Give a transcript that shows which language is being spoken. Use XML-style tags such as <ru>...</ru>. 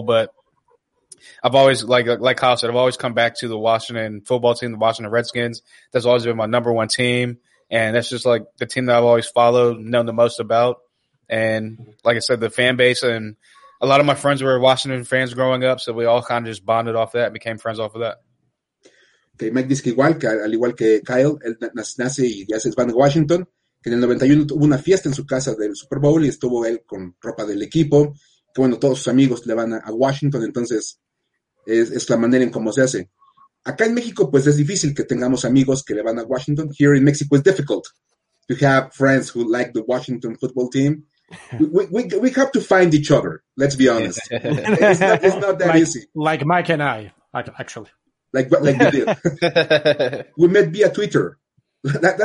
<en>But I've always, like Kyle said, I've always come back to the Washington football team, the Washington Redskins. That's always been my number one team. And that's just like the team that I've always followed, known the most about. And like I said, the fan base and a lot of my friends were Washington fans growing up. So we all kind of just bonded off that and became friends off of that.</en> <es>Okay, Mike dice que igual, que, al igual que Kyle, él nace y ya se es fan de Washington. Que en el 91 tuvo una fiesta en su casa del Super Bowl y estuvo él con ropa del equipo. Que bueno, todos sus amigos le van a Washington. Entonces es la manera en cómo se hace. Acá en México, pues es difícil que tengamos amigos que le van a Washington.</es> <en>Here in Mexico, it's difficult to have friends who like the Washington football team. We have to find each other, let's be honest. It's not that like, easy. Like Mike and I, actually. Like we did. We met via Twitter. That's</en>